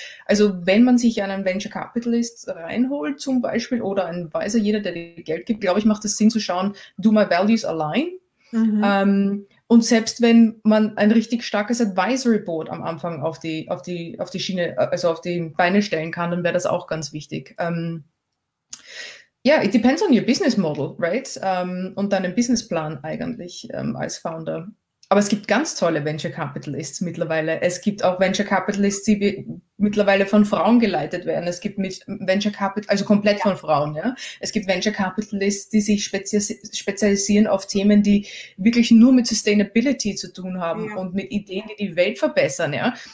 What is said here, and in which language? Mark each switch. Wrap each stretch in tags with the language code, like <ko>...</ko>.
<de>Also wenn man sich einen Venture Capitalist reinholt zum Beispiel oder einen Advisor, jeder, der dir Geld gibt, glaube ich, macht es Sinn zu schauen,</de> <en>do my values align.</en> <de>Mhm. Und selbst wenn man ein richtig starkes Advisory Board am Anfang auf die Schiene, also auf die Beine stellen kann, dann wäre das auch ganz wichtig.</de> <en>Yeah, it depends on your business model, right?</en> <de>Und deinen Businessplan eigentlich als Founder. Aber es gibt ganz tolle Venture Capitalists mittlerweile. Es gibt auch Venture Capitalists, die mittlerweile von Frauen geleitet werden. Es gibt komplett von Frauen, ja. Es gibt Venture Capitalists, die sich spezialisieren auf Themen, die wirklich nur mit Sustainability zu tun haben und mit Ideen, die die Welt verbessern, ja.</de>